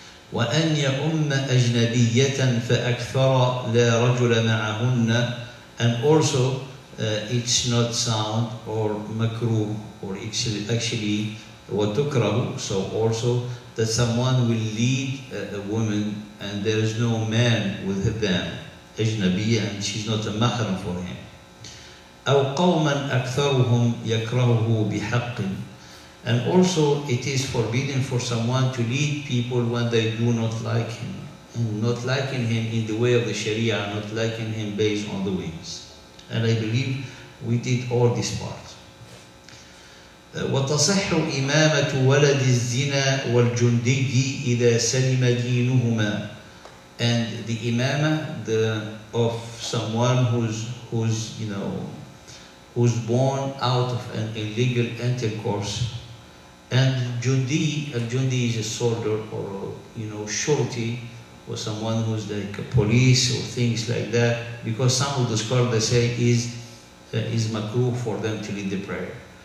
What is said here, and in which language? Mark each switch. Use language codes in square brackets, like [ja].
[ar] وَأَنْ يَأُمَّ أَجْنَبِيَّةً فَأَكْثَرَ لَا رَجُلَ مَعَهُنَّ [en] And also, it's not sound or makruh. Or actually, what tukrahu, so also that someone will lead a woman and there is no man with them, ajnabiyya, and she's not a mahram for him. [ar] أو قوما أكثرهم يكرهه بحق. [en] And also, it is forbidden for someone to lead people when they do not like him, and not liking him in the way of the Sharia, not liking him based on the wings. And I believe we did all this part. [ar] وتصح إمامة ولد الزنا والجندي إذا سلم دينهما [en] and the imam the of someone who's you know who's born out of an illegal intercourse and jundi is a soldier or you know shorty or someone who's like a police or things like that because some of the scholars they say is makruh for them to lead the prayer.